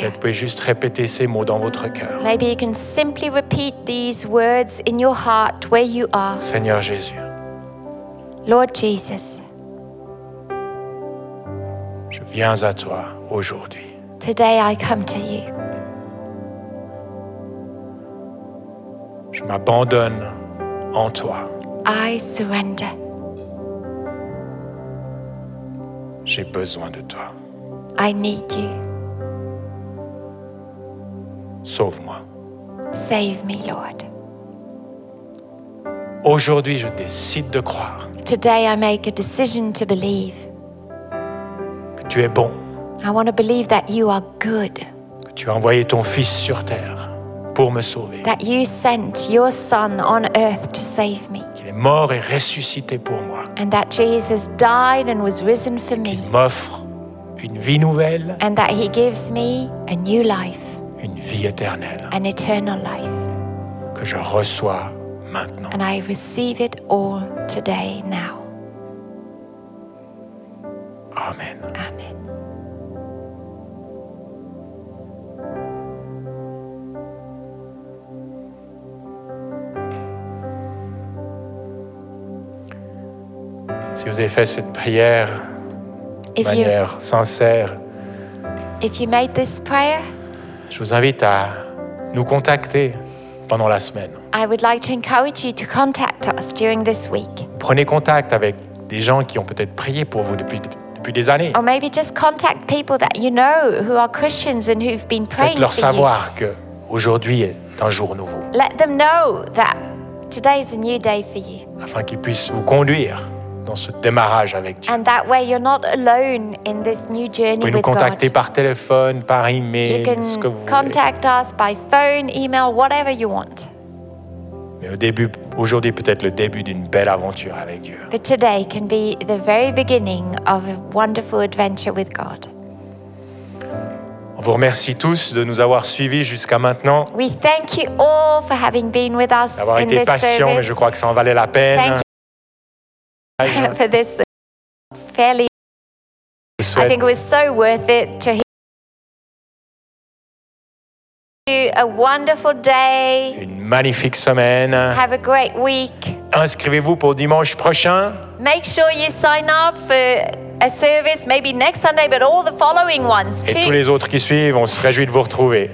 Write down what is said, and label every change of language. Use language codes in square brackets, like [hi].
[fr] Peut-être pouvez juste répéter ces mots dans votre cœur. [en] Maybe you can simply repeat these words in your heart where you are. [fr] Seigneur Jésus. [en] Lord Jesus. [fr] Je viens à toi aujourd'hui. [en] Today I come to you. [fr] Je m'abandonne en toi. [en] I surrender. [fr] J'ai besoin de toi. [en] I need you. [fr] Sauve-moi. [en] Save me, Lord. [fr] Aujourd'hui, je décide de croire. [en] Today I make a decision to believe. [fr] Que tu es bon. [en] I want to believe that you are good. [fr] Que tu as envoyé ton fils sur terre pour me sauver. [en] That you sent your son on earth to save me. [fr] Qu'il est mort et ressuscité pour moi. [en] And that Jesus died and was risen for me. [fr] Qu'il m'offre une vie nouvelle. [en] And that he gives me a new life. [fr] Une vie éternelle. [en] An eternal life. [fr] Que je reçois maintenant. [en] And I receive it all today now. [fr] Amen. [en] Amen. [fr] Si vous avez fait cette prière de manière sincère, [en] if you made this prayer, [fr] je vous invite à nous contacter pendant la semaine. [en] I would like to encourage you to contact us during this week. [fr] Prenez contact avec des gens qui ont peut-être prié pour vous depuis des années. [en] Or maybe just contact people that you know who are Christians and who've been praying for you. [fr] Faites-leur savoir que aujourd'hui est un jour nouveau. [en] Let them know that today is a new day for you. [fr] Afin qu'ils puissent vous conduire dans ce démarrage avec Dieu. [en] And that way you're not alone in this new journey with God. [fr] Vous pouvez nous contacter par téléphone, par email, ce que vous voulez. [en] You can contact us by phone, email, whatever you want. [fr] Mais au début, aujourd'hui peut-être le début d'une belle aventure avec Dieu. [en] But today can be the very beginning of a wonderful adventure with God. [fr] On vous remercie tous de nous avoir suivis jusqu'à maintenant. [en] We thank you all for having been with us in this service. [fr] D'avoir été patient, mais je crois que ça en valait la peine. [en] Thank you. For this fairly, I think it was so worth it to hear you. A wonderful day. [fr] Une magnifique semaine. [en] Have a great week. [fr] Inscrivez-vous pour dimanche prochain. [en] Make sure you sign up for a service, maybe next Sunday, but all the following ones too. [fr] Et tous les autres qui suivent, on se réjouit de vous retrouver.